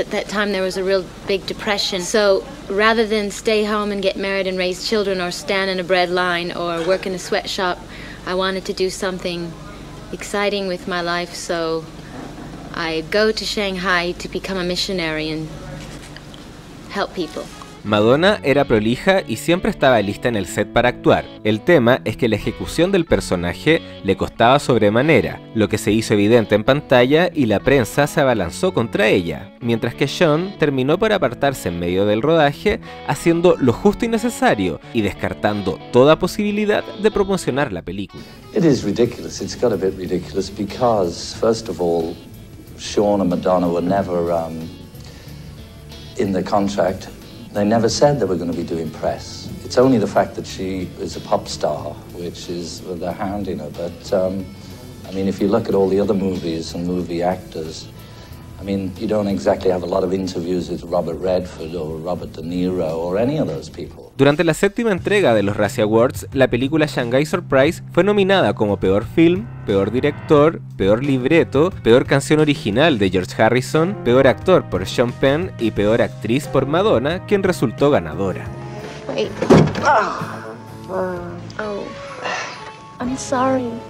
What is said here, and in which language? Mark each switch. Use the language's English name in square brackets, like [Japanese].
[English] At that time, there was a real big depression. So rather than stay home and get married and raise children or stand in a bread line or work in a sweatshop, I wanted to do something exciting with my life. So I go to Shanghai to become a missionary and help people. [Spanish] Madonna era prolija y siempre estaba lista en el set para actuar. El tema es que la ejecución del personaje le costaba sobremanera, lo que se hizo evidente en pantalla y la prensa se abalanzó contra ella, mientras que Sean terminó por apartarse en medio del rodaje, haciendo lo justo y necesario y descartando toda posibilidad de promocionar la película. [English] It is ridiculous. It's got a bit ridiculous because, first of all, Sean and Madonna were never in the contract. They never said they were going to be doing press. It's only the fact that she is a pop star, which is the hand in her. But I mean, if you look at all the other movies and movie actors, I mean, you don't exactly have a lot of interviews with Robert Redford or Robert De Niro or any of those people. [Spanish] Durante la séptima entrega de los Razzie Awards, la película Shanghai Surprise fue nominada como peor film, peor director, peor libreto, peor canción original de George Harrison, peor actor por Sean Penn y peor actriz por Madonna, quien resultó ganadora. [English] Wait. Oh. I'm sorry.